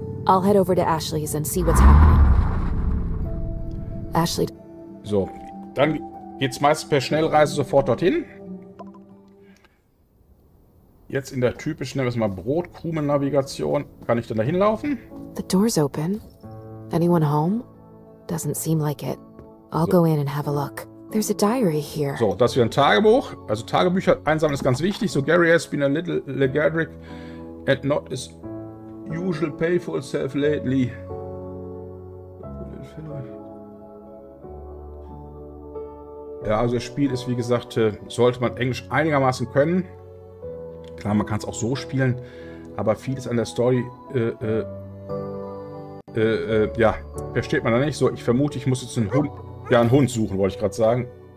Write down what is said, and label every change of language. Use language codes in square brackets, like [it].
[en] I'll head over to Ashley's and see what's happening. Ashley. [de] So, dann geht's meist per Schnellreise sofort dorthin. Jetzt in der typischen, nennen wir es mal Brotkrumen-Navigation, kann ich dann da hinlaufen. [en] The door's open. Anyone home? Doesn't seem like it. I'll go in and have a look. There's a diary here. [de] So, das ist wieder ein Tagebuch. Also Tagebücher einsammeln ist ganz wichtig. [en] So, Gary has been a little lethargic and not his usual playful self lately. [de] Ja, also das Spiel ist, wie gesagt, sollte man Englisch einigermaßen können. Klar, man kann es auch so spielen, aber vieles an der Story, ja, versteht man da nicht. So, ich vermute, ich muss jetzt einen Hund, ja, einen Hund suchen, wollte ich gerade sagen.